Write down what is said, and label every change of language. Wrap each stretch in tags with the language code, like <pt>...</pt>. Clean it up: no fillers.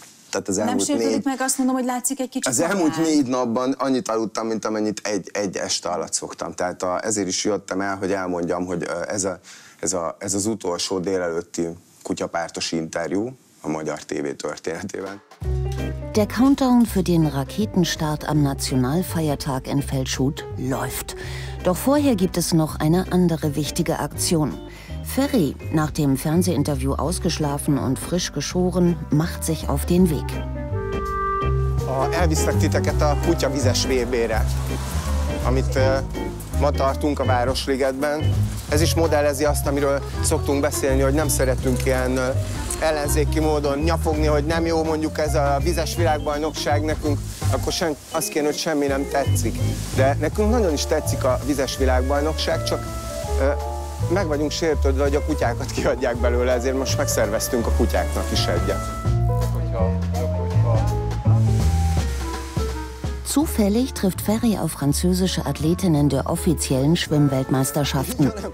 <hu>Tehát az elmúlt nem sértődik meg, azt mondom, hogy látszik egy kicsit. Az elmúlt 4 napban annyit aludtam, mint amennyit egy este alatt szoktam. Tehát ezért is jöttem el, hogy elmondjam, hogy ez az utolsó délelőtti kutyapártos interjú a magyar tévé történetében.</hu> <de>Der Countdown für den Raketenstart am Nationalfeiertag in Feldschut läuft. Doch vorher gibt es noch eine andere wichtige Aktion. Ferry, nach dem Fernsehinterview ausgeschlafen und frisch geschoren, macht sich auf den Weg.</de> <hu>Elviszlek titeket a kutyavizes VB-re, amit ma tartunk a Városligetben. Ez is modellezi azt, amiről szoktunk beszélni, hogy nem szeretünk ilyen ellenzéki módon nyafogni, hogy nem jó mondjuk ez a vizes világbajnokság nekünk, akkor azt kéne, hogy semmi nem tetszik. De nekünk nagyon is tetszik a vizes világbajnokság, csak meg vagyunk sértődve, hogy a kutyákat kiadják belőle, ezért most megszerveztünk a kutyáknak is egyet.</hu> <de>Zufällig trifft Ferry auf französische Athletinnen der offiziellen Schwimmweltmeisterschaften.</de>